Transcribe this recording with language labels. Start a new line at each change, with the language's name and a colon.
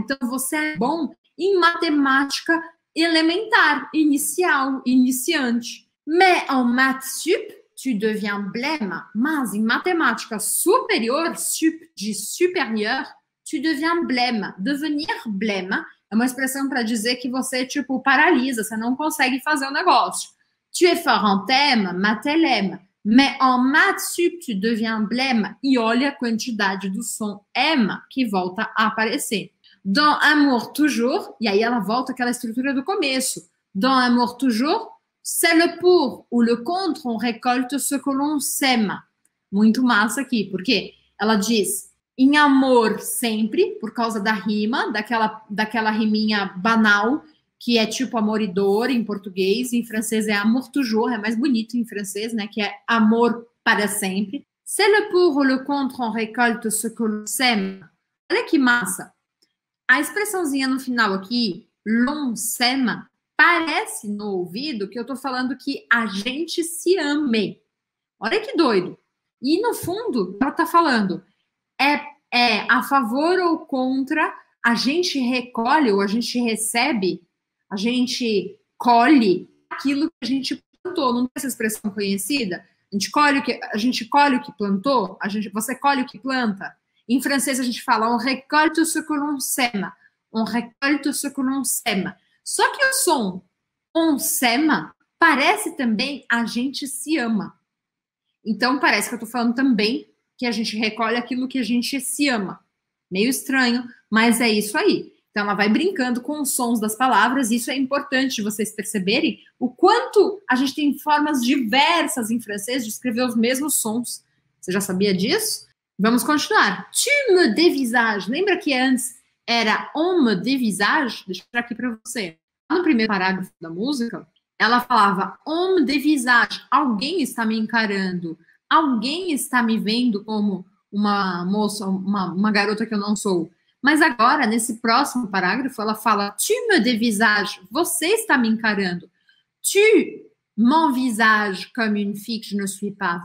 Portuguese: Então, você é bom em matemática elementar, inicial, iniciante.
French: Mais en maths sup, tu deviens blême.
Portuguese: Mas em matemática superior, sup, de supérieur,
French: tu deviens blême.
Portuguese: Devenir blême é uma expressão para dizer que você, tipo, paralisa, você não consegue fazer o negócio.
French: Tu es fort en thème, matelem. Mais en maths sup, tu deviens blême.
Portuguese: E olha a quantidade do som M que volta a aparecer.
French: Dans amour toujours,
Portuguese: e aí ela volta àquela estrutura do começo.
French: Dans amour toujours, c'est le pour ou le contre, on récolte ce que l'on sème.
Portuguese: Muito massa aqui, porque ela diz em amor sempre, por causa da rima, daquela riminha banal, que é tipo amor e dor em português, em francês é amour toujours, é mais bonito em francês, né, que é amor para sempre.
French: C'est le pour ou le contre, on récolte ce que l'on sème.
Portuguese: Olha que massa. A expressãozinha no final aqui, l'on s'aime, parece no ouvido que eu tô falando que a gente se ame. Olha que doido. E no fundo, ela tá falando, é a favor ou contra, a gente recolhe ou a gente recebe, a gente colhe aquilo que a gente plantou. Não tem essa expressão conhecida? A gente colhe o que plantou? Você colhe o que planta? Em francês, a gente fala
French: on récolte ce que l'on sème. On récolte ce que l'on sème.
Portuguese: Só que o som on sème parece também a gente se ama. Então, parece que eu tô falando também que a gente recolhe aquilo que a gente se ama. Meio estranho, mas é isso aí. Então, ela vai brincando com os sons das palavras. Isso é importante vocês perceberem o quanto a gente tem formas diversas em francês de escrever os mesmos sons. Você já sabia disso? Vamos continuar.
French: Tu me dévisages.
Portuguese: Lembra que antes era
French: on me dévisage?
Portuguese: Deixa eu tirar aqui para você. No primeiro parágrafo da música, ela falava
French: on me dévisage.
Portuguese: Alguém está me encarando. Alguém está me vendo como uma moça, uma garota que eu não sou. Mas agora, nesse próximo parágrafo, ela fala
French: tu me dévisages.
Portuguese: Você está me encarando.
French: Tu m'envisage comme une fille que je ne suis pas.